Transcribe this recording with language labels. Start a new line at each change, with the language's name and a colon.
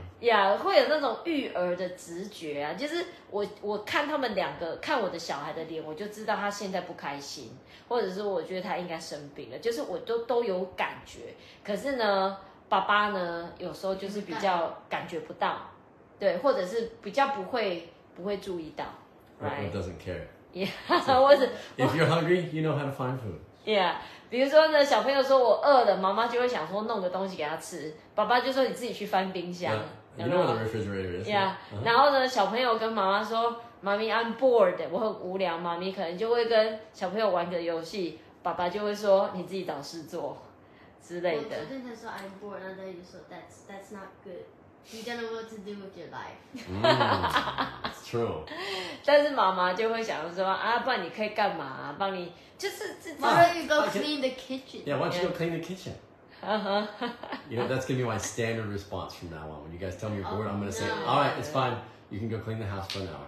Chinese: Yeah, 会有那种育儿的直觉啊，就是我看他们两个看我的小孩的脸，我就知道他现在不开心，或者是我觉得他应该生病了，就是我都有感觉。可是呢，爸爸呢，有时候就是比较感觉不到，对，或者是比较不会注意到 ，right?
English: Doesn't care. Yeah, 或者 If you're hungry, you know how to find food. Yeah.
Chinese: 比如说呢，小朋友说我饿了，妈妈就会想说弄个东西给他吃。爸爸就说你自己去翻冰箱。
English: Yeah. You know where the refrigerator is.
Chinese: Yeah.、Uh-huh. 然后呢，小朋友跟妈妈说 ，
English: Mommy, I'm bored.
Chinese: 我很无聊。妈咪可能就会跟小朋友玩个游戏，爸爸就会说你自己找事做之类的。
English: 昨天他说 I'm bored, and then you said that's not good. You don't know what to do with your life. It's true.
Chinese: 但是妈妈就会想说啊，不然你可以干嘛？帮你就是这。
English: Why don't you go clean the kitchen? Yeah, why don't you go clean the kitchen? You know, that's gonna be my standard response from now on. When you guys tell me you're bored, I'm gonna say, all right, it's fine. You can go clean the house for an hour.